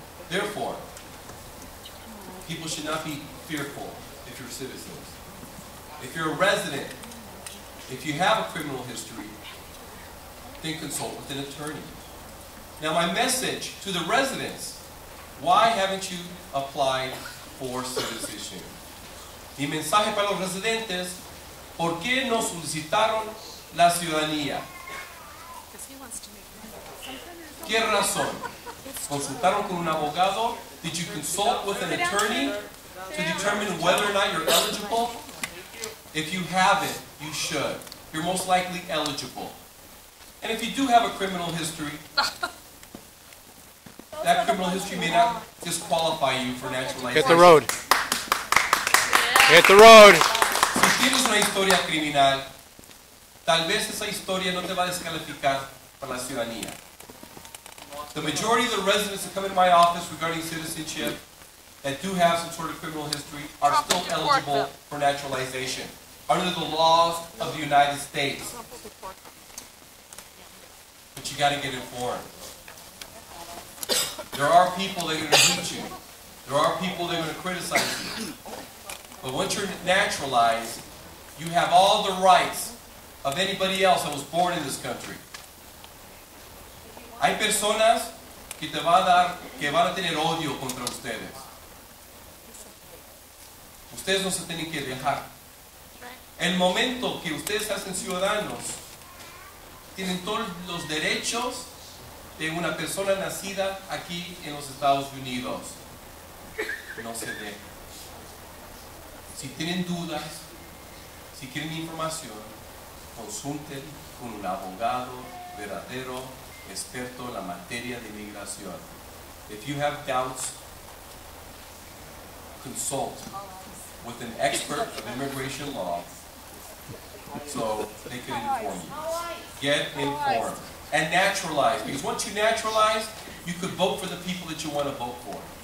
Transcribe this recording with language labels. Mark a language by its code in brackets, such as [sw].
[en] Therefore, people should not be fearful if you're citizens. If you're a resident, if you have a criminal history, then consult with an attorney. Now my message to the residents, why haven't you applied for citizenship? [es] Mi mensaje para los residentes, ¿por qué no solicitaron la ciudadanía? ¿Qué razón? ¿Consultaron con un abogado? [en] Did you consult with an attorney to determine whether or not you're eligible? If you haven't, you should. You're most likely eligible. And if you do have a criminal history, that criminal history may not disqualify you for naturalization. Hit the road. Hit the road. [es] Si tienes una historia criminal, tal vez esa historia no te va a descalificar para la ciudadanía. [en] The majority of the residents that come into my office regarding citizenship that do have some sort of criminal history are still eligible for naturalization under the laws of the United States. But you got to get informed. There are people that are going to hate you. There are people that are going to criticize you. But once you're naturalized, you have all the rights of anybody else that was born in this country. [es] Hay personas que te va a dar, que van a tener odio contra ustedes. Ustedes no se tienen que dejar. El momento que ustedes hacen ciudadanos, tienen todos los derechos de una persona nacida aquí en los Estados Unidos. No se dejen. Si tienen dudas, si quieren información, consulten con un abogado verdadero, experto en la materia de inmigración. [en] If you have doubts, consult with an expert of immigration law so they can inform you. Get informed and naturalize, because once you naturalize, you could vote for the people that you want to vote for.